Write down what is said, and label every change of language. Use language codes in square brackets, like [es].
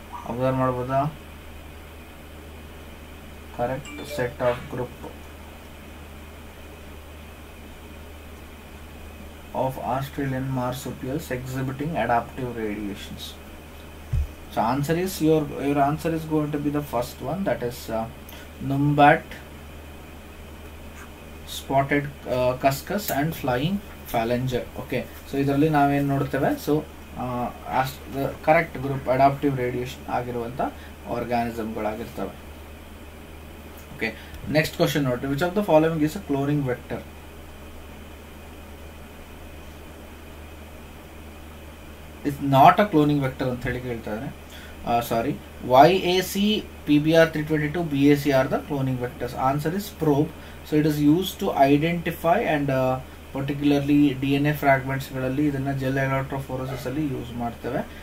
[kn] Observe ಮಾಡ್ಬೋದಾ? [en] Correct set of group of Australian marsupials exhibiting adaptive radiations. So answer is your answer is going to be the first one, that is numbat, spotted cuscus and flying phalanger. [kn] Okay, so idralli naave en nodutteve, [en] so as the correct group adaptive radiation [kn] agiruvanta organism galagirtave. [en] Okay, next question note: which of the following is a cloning vector? Is not a cloning vector [kn] ಅಂತ ಹೇಳಿ ಕೇಳ್ತಾರೆ. [en] Sorry, Y A C P B R 322 B A C R the cloning vectors. Answer is probe. So it is use to identify and particularly D N A fragments [kn] ಗಳಲ್ಲಿ ಇದನ್ನ gel electrophoresis ಅಲ್ಲಿ use ಮಾಡ್ತೇವೆ.